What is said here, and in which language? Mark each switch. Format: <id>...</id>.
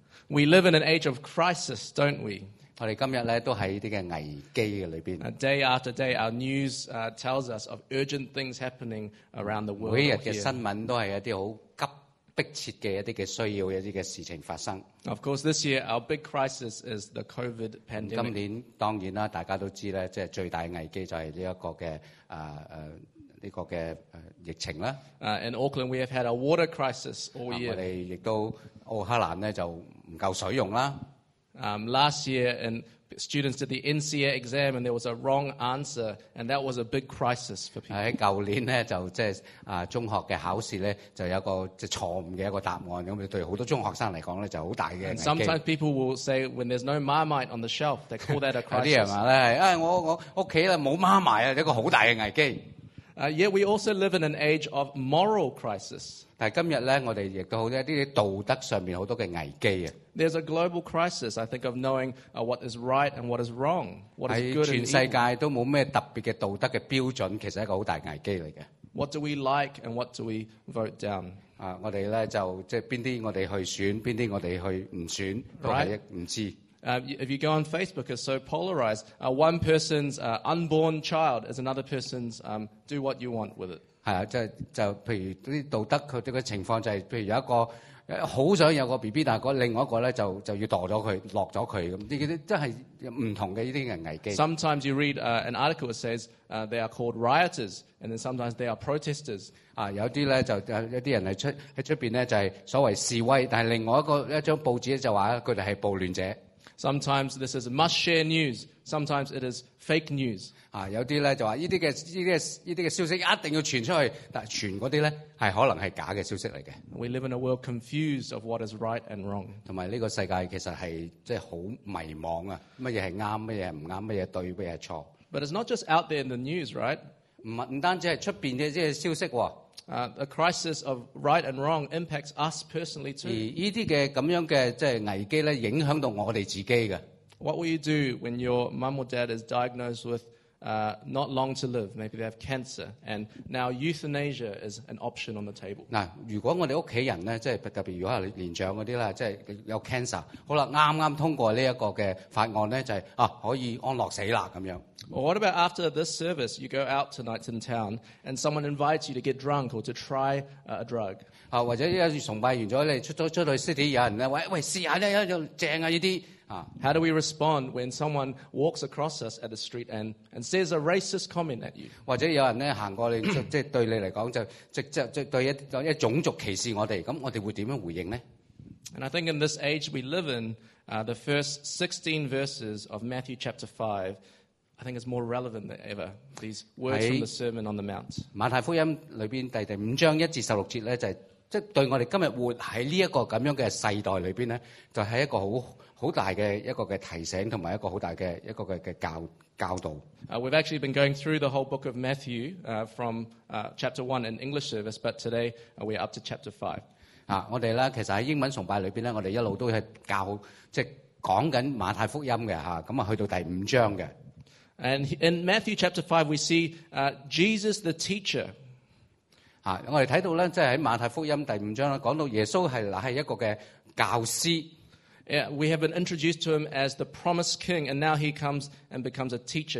<en>We live in an age of crisis, don't we? Day after day, our news tells us of urgent things happening around the world.</en> <yue>每日嘅新聞都係一啲好急迫切嘅一啲嘅需要，一啲嘅事情發生。</yue> <en>Of course, this year our big crisis is the COVID pandemic.</en> <yue>今年當然啦，大家都知咧，即係最大危機就係呢一個嘅呢、这個嘅疫情啦。</yue> <en>In Auckland, we have had a water crisis all year.</en> <yue>我哋亦都奧克蘭咧就唔夠水用啦。</yue> <en>Last year, and students did the NCA exam, and there was a wrong answer, and that was a big crisis for people.</en> <yue>喺舊年咧就即係中學嘅考試咧就有一個即係錯誤嘅一個答案，咁對好多中學生嚟講咧就好大嘅危機。</yue> <en>And sometimes people will say, when there's no Marmite on the shelf, they call that a crisis.</en> <yue>有啲人話咧，啊、哎、我屋企咧冇 Marmite 啊，一個好大嘅危機。</yue> <en>Yet we also live in an age of moral crisis.</en> <yue>但今日咧，我哋亦都好多一啲道德上面好多嘅危機啊。</yue> <en>There's a global crisis. I think of knowing what is right and what is wrong, what is good and evil.</en> <yue>喺全世界都冇咩特別嘅道德嘅標準，其實一個好大危機嚟嘅。</yue> <en>What do we like and what do we vote down?</en> <yue>我哋咧就即係邊啲我哋去選，邊啲我哋去唔選，都係唔知。</yue> <en>If you go on Facebook, it's so polarized. One person's unborn child is another person's do what you want with it.</en> <yue>係啊，就譬如啲道德佢啲嘅情況就係，譬如有一個好想有個 BB， 但係個另外一個咧就要墮咗佢，落咗佢咁。呢啲真係唔同嘅呢啲嘅危機。</yue> <en>Sometimes you read an article that says they are called rioters, and then sometimes they are protesters.</en> <yue>有啲咧就一啲人喺出邊咧就係所謂示威，但係另外一張報紙就話佢哋係暴亂者。</yue> <en>Sometimes this is must share news. Sometimes it is fake news.</en> <yue>有啲咧就話呢啲嘅消息一定要傳出去，但傳嗰啲咧係可能係假嘅消息嚟嘅。</yue> <en>We live in a world confused of what is right and wrong.</en> <yue>同埋呢個世界其實係即係好迷茫啊！乜嘢係啱，乜嘢唔啱，乜嘢對，乜嘢錯。</yue> <en>But it's not just out there in the news, right?</en> <yue>唔單止係出邊嘅即係消息喎。</yue> <en>A crisis of right and wrong impacts us personally too.</en> <yue>而呢啲嘅咁樣嘅即係危機咧，影響到我哋自己嘅。</yue> <en>What will you do when your mum or dad is diagnosed with not long to live? Maybe they have cancer, and now euthanasia is an option on the table.</en> <yue>嗱，如果我哋屋企人咧，即係特別如果係年長嗰啲啦，即係有 cancer， 好啦，啱啱通過呢一個嘅法案咧，就係可以安樂死啦咁樣。</yue> <en>Well, what about after this service, you go out tonight in town, and someone invites you to get drunk or to try a drug?</en> <yue>或者一崇拜完咗，你出到 city， 有人咧，喂，試下咧，又正啊呢啲。</yue> <en>How do we respond when someone walks across us at the street and says a racist comment at you?</en> <yue>或者有人咧行過你，即係對你嚟講就對一種族歧視我哋，咁我哋會點樣回應咧？</yue> <en>And I think in this age we live in, the first 16 verses of Matthew chapter 5. I think it's more relevant than ever. These words from the Sermon on the Mount.</en> <yue>馬太福音裏邊第五章一至十六節咧，就對我哋今日活喺呢一個咁樣嘅世代裏邊咧，就係一個好大嘅一個嘅提醒，同埋一個好大嘅一個嘅教導。</yue> <en>We've actually been going through the whole book of Matthew from chapter 1 in English service, but today we are up to chapter 5.</en> <yue>我哋咧其實喺英文崇拜裏邊咧，我哋一路都係教即係。講緊馬太福音嘅嚇，咁啊去到第五章嘅。</yue> <en>And in Matthew chapter 5, we see Jesus the teacher.</en> <yue>我哋睇到咧，即係喺馬太福音第五章啦，講到耶穌係一個嘅教師。</yue> <en>Yeah, we have been introduced to him as the promised king, and now he comes and becomes a teacher.</en>